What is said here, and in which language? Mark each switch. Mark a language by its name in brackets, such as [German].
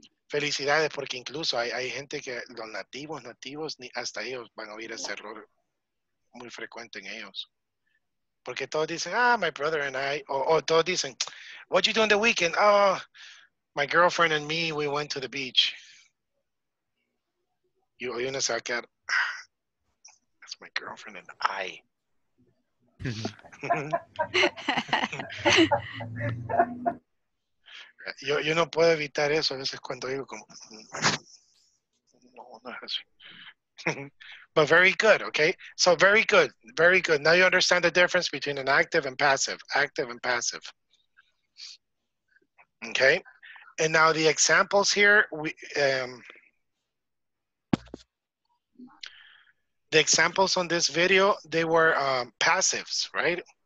[Spanish] Felicidades, porque incluso hay gente que los nativos, ni hasta ellos van a oír ese error muy frecuente en ellos. Porque todos dicen, ah, [English] my brother and I, [Spanish] o todos dicen, [English] what you doing the weekend? Oh, my girlfriend and me, we went to the beach. [Spanish] Y uno se va a quedar, [English] that's my girlfriend and I. [Spanish] yo no puedo evitar eso a veces cuando digo como, no es así. [English] But very good, okay? So very good, very good. Now you understand the difference between an active and passive. Active and passive. Okay? And now the examples here, the examples on this video, they were passives, right?